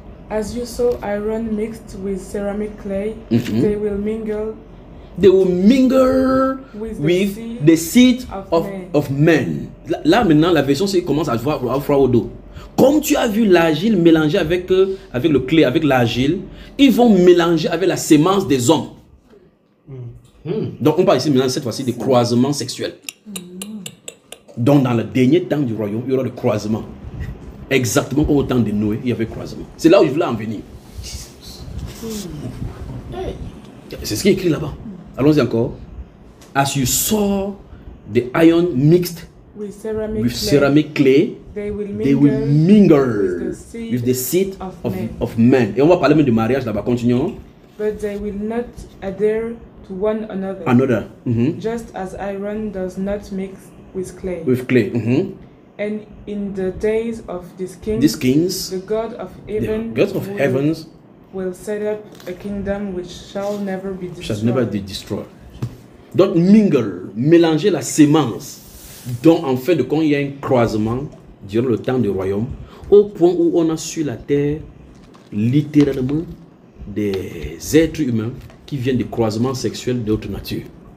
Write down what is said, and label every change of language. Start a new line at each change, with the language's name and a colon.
English: As you saw iron mixed with ceramic clay, they will mingle. They will mingle with the seed of men.
French: Là maintenant, la version commence à voir à froid au dos. Comme tu as vu l'argile mélangée avec le clay, avec l'argile, ils vont mélanger avec la semence des hommes. Donc on parle ici maintenant cette fois-ci des croisements sexuels. Donc dans le dernier temps du royaume, il y aura le croisement. Exactement comme au temps de Noé, il y avait croisement. C'est là où je voulais en venir. C'est ce qui est écrit là-bas. Allons-y encore.
English: As you saw the iron mixed with ceramic clay, they will mingle with the seed of men.
French: Et on va parler même du mariage là-bas. Continuons.
English: But they will not adhere to one another. Another. Just as iron does not mix with clay. With clay. And in the days of these kings, the God of heaven, God of heavens, will set up a kingdom which shall never be destroyed. Shall never be destroyed.
French: Donc mingle, mélanger la semence, dont en fait de quand il y a un croisement durant le temps du royaume, au point où on a sur la terre littéralement des êtres humains qui viennent de croisements sexuels d'autres natures.